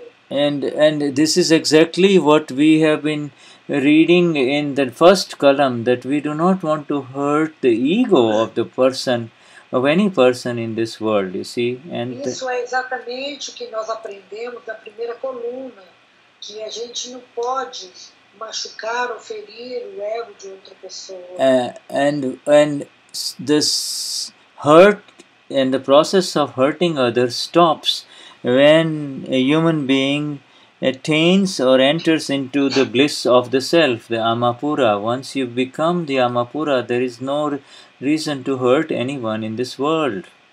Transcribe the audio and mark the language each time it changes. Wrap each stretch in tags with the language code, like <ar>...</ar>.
<en>And this is exactly what we have been reading in the first column, that we do not want to hurt the ego of the person, of any person in this world, you see. And</en> <pt>isso é exatamente o que nós aprendemos na primeira coluna, que a gente não pode machucar ou ferir o ego de outra pessoa.</pt> <en>And this hurt and the process of hurting others stops when a human being attains or enters into the bliss of the self, the Amapura. Once you become the Amapura, there is no reason to hurt anyone in this world.</en>